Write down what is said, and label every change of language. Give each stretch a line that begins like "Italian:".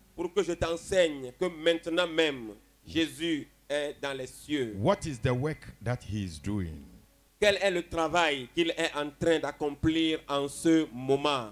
French: Pour que je t'enseigne que maintenant même Jésus est dans les cieux.
English: What is the work that he is doing?
French: Quel est le travail qu'il est en train d'accomplir en ce moment?